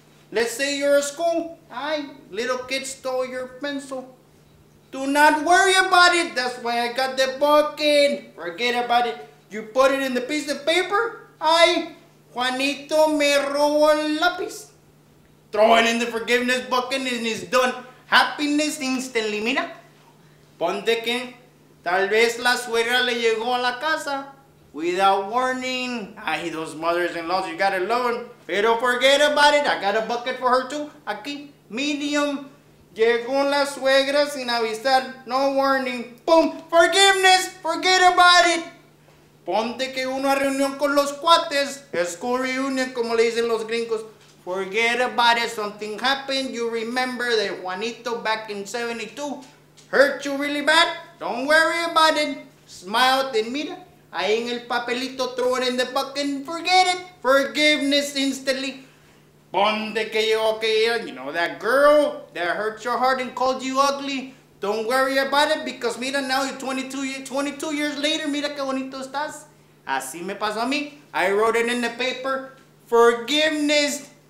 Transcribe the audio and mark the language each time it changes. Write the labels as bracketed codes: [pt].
[en] Let's say you're a school, ay, little kid stole your pencil. Do not worry about it, that's why I got the bucket. Forget about it, you put it in the piece of paper, ay, [es] Juanito me robó el lápiz. [en] Throw it in the forgiveness bucket and it's done. Happiness instantly, mira. [es] Ponte que tal vez la suegra le llegó a la casa [en] without warning. Ay, those mothers-in-laws, you gotta love them. Pero forget about it, I got a bucket for her too. Aquí, medium. [es] Llegó la suegra sin avisar, [en] no warning. Boom, forgiveness, forget about it. [es] Ponte que una reunión con los cuates, [en] school reunion, [es] como le dicen los gringos. [en] Forget about it, something happened, you remember that Juanito back in 72 hurt you really bad, don't worry about it, smile and [es] mira, ahí en el papelito, [en] throw it in the bucket and forget it, forgiveness instantly. [es] Ponte que yo, [en] okay, you know that girl that hurt your heart and called you ugly, don't worry about it because mira, now you're 22 years later, [es] mira que bonito estás, así me pasó a mí, [en] I wrote it in the paper, forgiveness.